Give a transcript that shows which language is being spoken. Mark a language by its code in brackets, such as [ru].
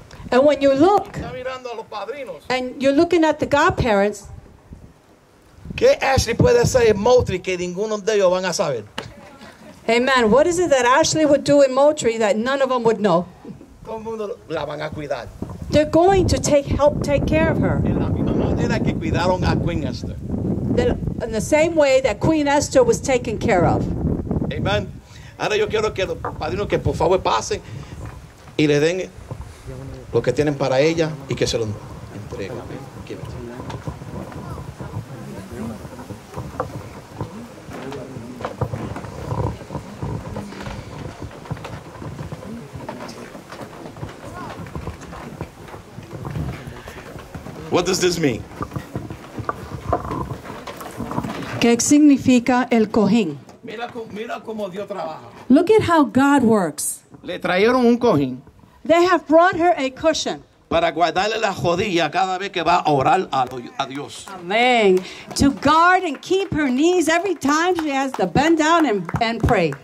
[en] And when you look, and you're looking at the godparents, [es] ¿qué Ashley puede hacer en Moultrie que ninguno de ellos van a saber? Amen. [en] What is it that Ashley would do in Moultrie that none of them would know? [es] Todo el mundo la van a cuidar. [en] They're going to help take care of her. [es] En la misma manera que cuidaron a Queen Esther. [en] In the same way that Queen Esther was taken care of. Amen. [es] Ahora yo quiero que los padrinos que por favor pasen y le den lo que tienen para ella y que se lo entreguen. [en] What does this mean? [es] ¿Qué significa el cojín? Mira cómo Dios trabaja. [en] Look at how God works. [es] Le trajeron un cojín. [en] They have brought her a cushion. [es] Para guardarle la rodilla cada vez que va a orar a Dios. Amen. [en] To guard and keep her knees every time she has to bend down and pray.